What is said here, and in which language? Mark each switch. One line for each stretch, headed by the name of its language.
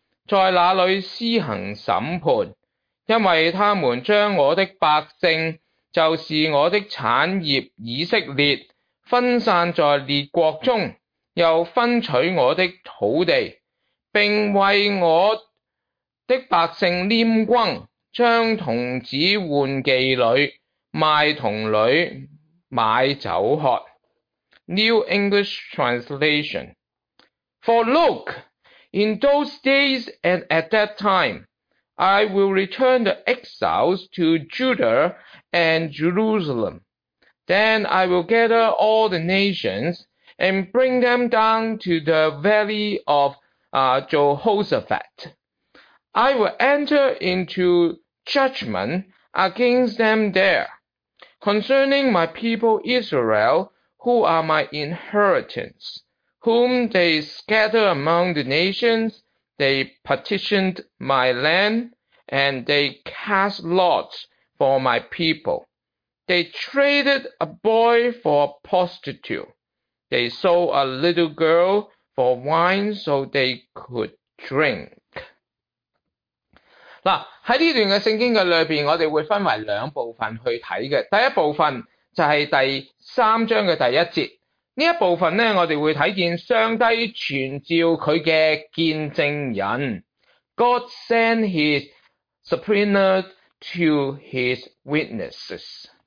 Chinese: 在那里施行审判，因为他们将我的百姓，就是我的产业以色列，分散在列国中，又分取我的土地，并为我的百姓拈轰，将童子换妓女，卖童女，买酒喝。
English: New English Translation. For look, in those days and at that time, I will return the exiles to Judah and Jerusalem. Then I will gather all the nations and bring them down to the valley of Jehoshaphat. I will enter into judgment against them there. Concerning my people Israel,who are my inheritance, whom they scatter among the nations, they partitioned my land, and they cast lots for my people. They traded a boy for a prostitute. They sold a little girl for wine so they could drink.
Chinese: 在这段圣经里面，我们会分为两部分去看的。第一部分就是第三章的第一节，这一部分呢，我们会看见上帝传召他的见证人。
English: God sent his subpoena to his witnesses。